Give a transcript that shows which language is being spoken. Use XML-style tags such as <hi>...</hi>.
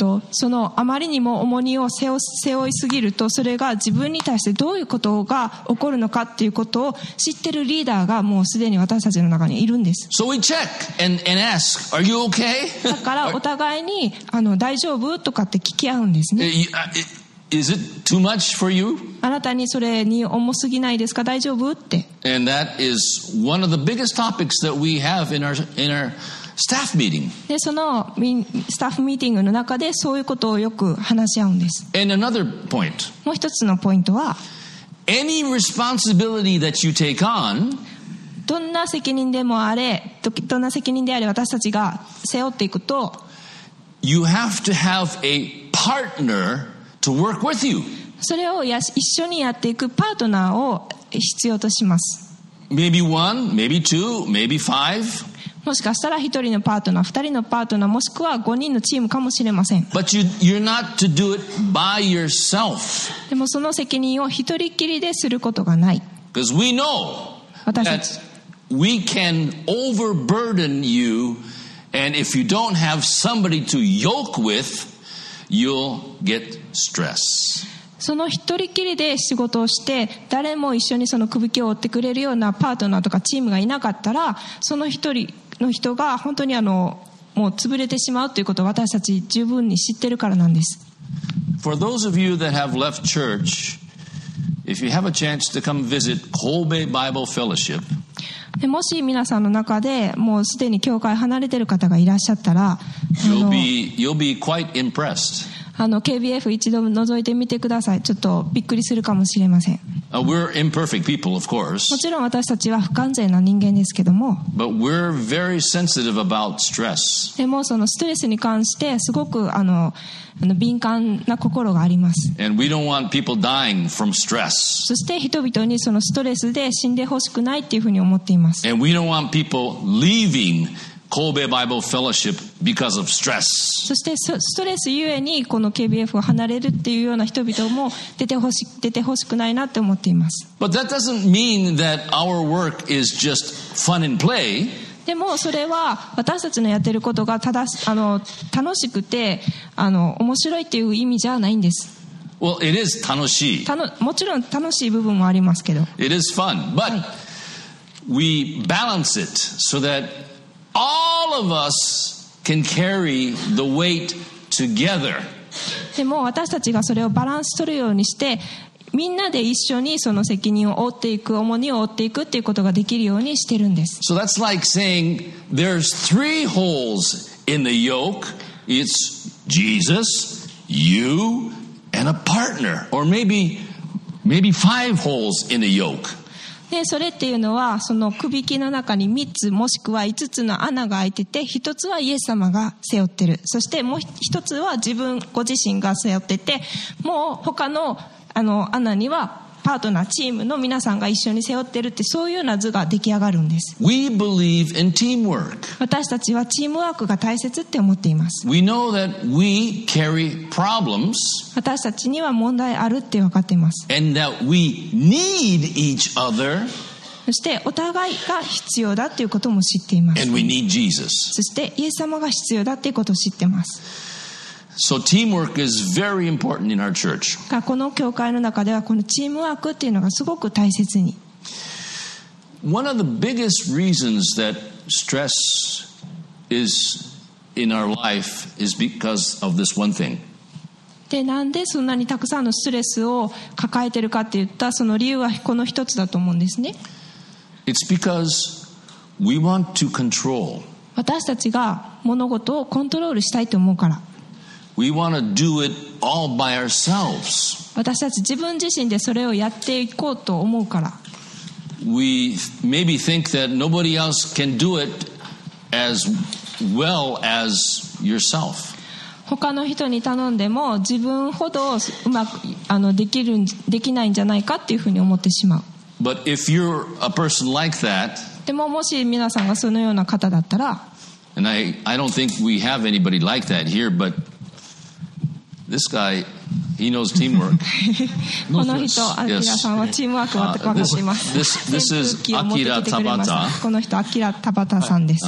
<ja>そのあまりにも重荷を背負いすぎるとそれが自分に対してどういうことが起こるのかっていうことを知ってるリーダーがもうすでに私たちの中にいるんです。</ja> <en>So we check and ask, are you okay?</en> <ja>だからお互いに大丈夫とかって聞き合うんですね。</ja> <en>Is it too much for you?</en> <ja>あなたにそれに重すぎないですか？大丈夫って。</ja> <en>And that is one of the biggest topics that we have in our staff meeting.</en> <ja>で、そのスタッフミーティングの中でそういうことをよく話し合うんです。</ja> <en>And another point.</en> <ja>もう一つのポイントは、</ja> <en>Any responsibility that you take on,</en> <ja>どんな責任でもあれ、どんな責任であれ私たちが背負っていくと、</ja> <en>You have to have a partner to work with you.</en> <ja>それを一緒にやっていくパートナーを必要とします。</ja> <en>Maybe one, maybe two, maybe five.</en> <ja>もしかしたら一人のパートナー、二人のパートナー、もしくは五人のチームかもしれません。</ja> <en>But you're not to do it by yourself.</en> <ja>でもその責任を一人きりですることがない。</ja> <en>Because we know that we can overburden you, and if you don't have somebody to yoke with, you'll get stress.</en> <ja>その一人きりで仕事をして誰も一緒にその首輝きを追ってくれるようなパートナーとかチームがいなかったら、その一人の人が本当にあのもう潰れてしまうということを私たち十分に知ってるからなんです。</ja> <en>For those of you that have left church, if you have a chance to come visit Kobe Bible Fellowship,</en> <ja>もし皆さんの中でもうすでに教会離れてる方がいらっしゃったら、</ja> <en>you'll be quite impressed.</en> <ja>あの KBF 一度覗いてみてください。ちょっとびっくりするかもしれません。</ja> <en>We're imperfect people, of course.</en> <ja>もちろん私たちは不完全な人間ですけども、</ja> <en>But we're very sensitive about stress.</en> <ja>でもそのストレスに関してすごくあの敏感な心があります。</ja> <en>And we don't want people dying from stress.</en> <ja>そして人々にそのストレスで死んでほしくないっていうふうに思っています。</ja> <en>And we don't want people leaving Kobe Bible Fellowship because of stress.</en> <ja>そしてストレスゆえにこの KBF を離れるっていうような人々も出てほしくないなって思っています。</ja> <en>But that doesn't mean that our work is just fun and play.</en> <ja>でもそれは私たちのやってることがただあの楽しくてあの面白いっていう意味じゃないんです。</ja> <en>Well, it is</en> <ja>楽しい。もちろん楽しい部分もありますけど。</ja> <en>It is fun, but、はい、we balance it so that all of us can carry the weight together.</en> <ja>でも私たちがそれをバランス取るようにして、みんなで一緒にその責任を負っていく、重荷を負っていくっていうことができるようにしてるんです。</ja> <en>So that's like saying there's three holes in the yoke. It's Jesus, you, and a partner. Or maybe five holes in the yoke.</en> <ja>でそれっていうのはその首輝きの中に3つもしくは5つの穴が開いてて、1つはイエス様が背負ってる、そしてもう1つは自分ご自身が背負ってて、もう他の、 あの穴にはパートナーチームの皆さんが一緒に背負ってるって、そういうような図が出来上がるんです。</ja> <en>We believe in teamwork.</en> <ja>私たちはチームワークが大切って思っています。</ja> <en>We know that we carry problems.</en> <ja>私たちには問題あるって分かっています。</ja> <en>And that we need each other.</en> <ja>そしてお互いが必要だっていうことも知っています。</ja> <en>And we need Jesus.</en> <ja>そしてイエス様が必要だっていうことを知っています。</ja> <en>So teamwork is very important in our church.</en> <ja>この教会の中ではこのチームワークっていうのがすごく大切に。</ja> <en>One of the biggest reasons that stress is in our life is because of this one thing.</en> <ja>で、なんでそんなにたくさんのストレスを抱えてるかって言った、その理由はこの一つだと思うんですね。</ja> <en>It's because we want to control.</en> <ja>私たちが物事をコントロールしたいと思うから。</ja> <en>We want to do it all by ourselves.</en> <ja>私たち自分自身でそれをやっていこうと思うから。</ja> <en>We maybe think that nobody else can do it as well as yourself.</en> <ja>他の人に頼んでも自分ほどうまくあのできるできないんじゃないかっていうふうに思ってしまう。</ja> <en>But if you're a person like that,</en> <ja>でももし皆さんがそのような方だったら、</ja> <en>and I don't think we have anybody like that here, but This guy, he knows teamwork.</en> <ja>この人、アキラさんはチームワークを分かっています。</ja> <en>This is Akira Tabata.</en> <ja>この人、アキラ・タバタさんです。</ja>